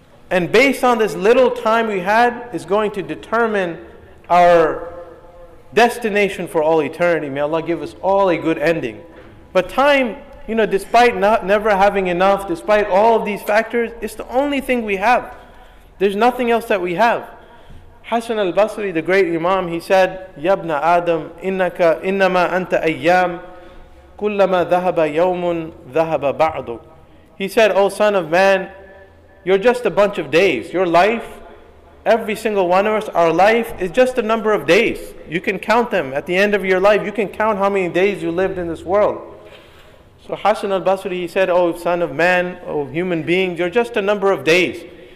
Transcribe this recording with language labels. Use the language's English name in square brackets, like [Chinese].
[English] And based on this little time we had, is going to determine our destination for all eternity. May Allah give us all a good ending. But time, you know, despite not never having enough, despite all of these factors, it's the only thing we have. There's nothing else that we have. Hassan al-Basri, the great Imam, he said, [Arabic] يَبْنَ آدَمْ إِنَّكَ إِنَّمَا أَنْتَ أَيَّامٌ كُلَّمَا ذَهَبَ يَوْمٌ ذَهَبَ بَعْضُكَ. [English] He said, O son of man, you're just a bunch of days. Your life, every single one of us, our life is just a number of days. You can count them at the end of your life. You can count how many days you lived in this world. So Hassan al-Basri, he said, O son of man, O human being, you're just a number of days.